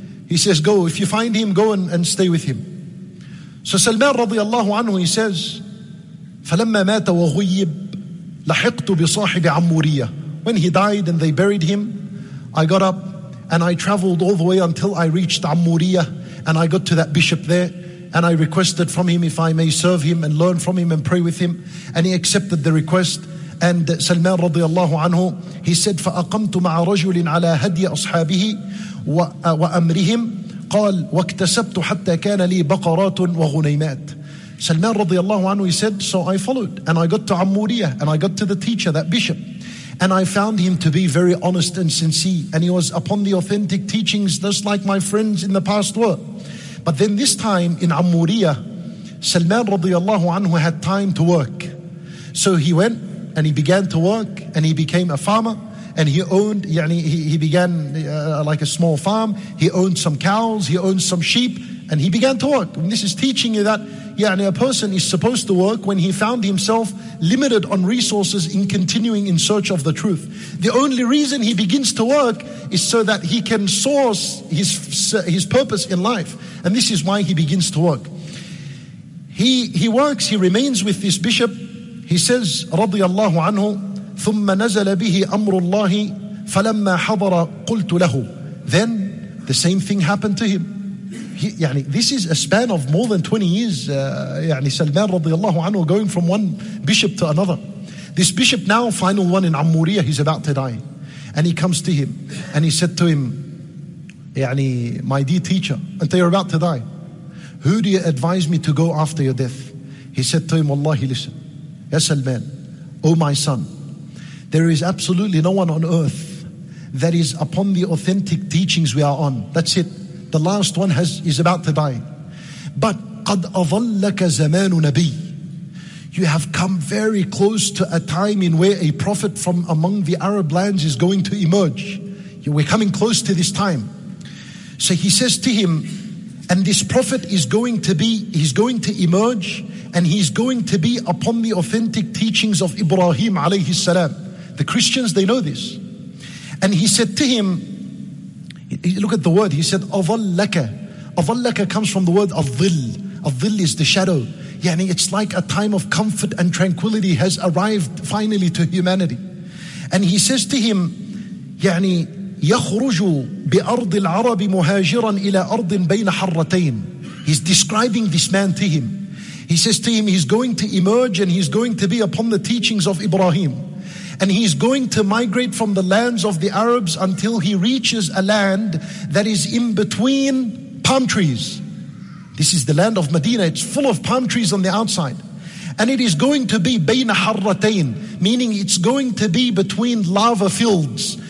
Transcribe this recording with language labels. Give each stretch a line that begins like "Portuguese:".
English: He says, go, if you find him, go and stay with him. So Salman radiallahu anhu, he says,
Arabic: فَلَمَّا مَاتَ وَغُيِّبْ لَحِقْتُ بِصَاحِبِ عَمُّورِيَّ.
English: When he died and they buried him, I got up and I traveled all the way until I reached Ammuriyah, and I got to that bishop there, and I requested from him if I may serve him and learn from him and pray with him. And he accepted the request. And Salman radiallahu anhu, he said,
Arabic: فَأَقَمْتُ مَعَ رَجُلٍ عَلَى هَدْيَ أَصْحَابِهِ وَأَمْرِهِمْ قَالْ وَاكْتَسَبْتُ حَتَّى كَانَ لِي بَقَرَاتٌ وَغُنَيْمَاتٌ.
English: Salman radiallahu anhu, he said, so I followed and I got to Ammuriyah and I got to the teacher, that bishop, and I found him to be very honest and sincere, and he was upon the authentic teachings just like my friends in the past were. But then this time in Ammuriyah, Salman radiallahu anhu had time to work. So he went and he began to work, and he became a farmer, and he owned, he began a small farm. He owned some cows, he owned some sheep, and he began to work. And this is teaching you that a person is supposed to work when he found himself limited on resources in continuing in search of the truth. The only reason he begins to work is so that he can source his purpose in life. And this is why he begins to work. He works, he remains with this bishop. He says, radiyallahu anhu,
Arabic: ثُمَّ نَزَلَ بِهِ أَمْرُ اللَّهِ فَلَمَّا حَضَرَ قُلْتُ لَهُ.
English: Then the same thing happened to him. This is a span of more than 20 years. Salman radiallahu anhu going from one bishop to another. This bishop now, final one in Ammuriyah, he's about to die. And he comes to him and he said to him, my dear teacher, until you're about to die, who do you advise me to go after your death? He said to him, Wallahi, listen, ya Salman, oh my son, there is absolutely no one on earth that is upon the authentic teachings we are on. That's it. The last one is about to die.
Arabic: But قَدْ أَظَلَّكَ زَمَانُ نَبِيٍّ.
English: You have come very close to a time in where a prophet from among the Arab lands is going to emerge. We're coming close to this time. So he says to him, And this prophet is going to be, he's going to emerge, and he's going to be upon the authentic teachings of Ibrahim alayhi salam. The Christians, they know this. And he said to him, look at the word, he said, Avallaka. Avallaka comes from the word Avdil. Avdil is the shadow. Yani it's like a time of comfort and tranquility has arrived finally to humanity. And he says to him, Yani,
Arabic: يَخْرُجُ بِأَرْضِ الْعَرَبِ مُهَاجِرًا إِلَىٰ أَرْضٍ بَيْنَ حَرَّتَيْنَ.
English: He's describing this man to him. He says to him, he's going to emerge and he's going to be upon the teachings of Ibrahim. And he's going to migrate from the lands of the Arabs until he reaches a land that is in between palm trees. This is the land of Medina. It's full of palm trees on the outside. And it is going to be
Arabic: بَيْنَ حَرَّتَيْنَ,
English: meaning it's going to be between lava fields.